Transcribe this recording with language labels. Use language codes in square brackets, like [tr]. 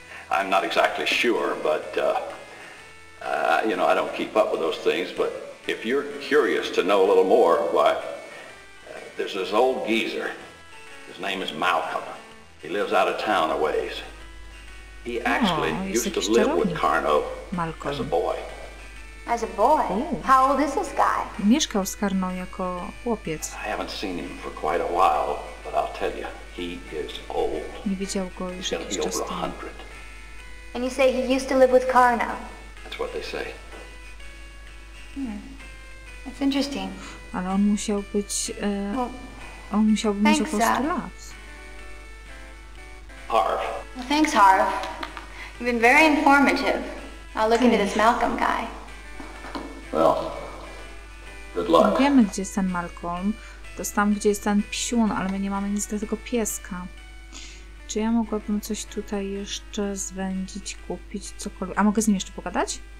[en] I'm not exactly sure, but, you know, I don't keep up with those things, but if you're curious to know a little more, why, there's this old geezer. His name is Malcolm. He lives out of town a ways. He actually used to live with Carno as a boy. As a boy? How old is this guy? [pl] Mieszkał z Carno jako chłopiec. [en] I haven't seen him for quite a while, but I'll tell you, he is old. [pl] Nie widział go już jakiś czas. [en] He's gonna be over 100. And you say he used to live with Carno. That's what they say. That's interesting. [pl] Ale on musiał być... on musiałby mieć około 100 lat. [en] Harv. Well, thanks, Harv. You've been very informative. I'll look into this Malcolm guy. Well, good luck. [pl] My wiemy, gdzie jest ten Malcolm. To jest tam, gdzie jest ten psiun, ale my nie mamy nic do tego pieska. Czy ja mogłabym coś tutaj jeszcze zwędzić, kupić, cokolwiek? A mogę z nim jeszcze pogadać?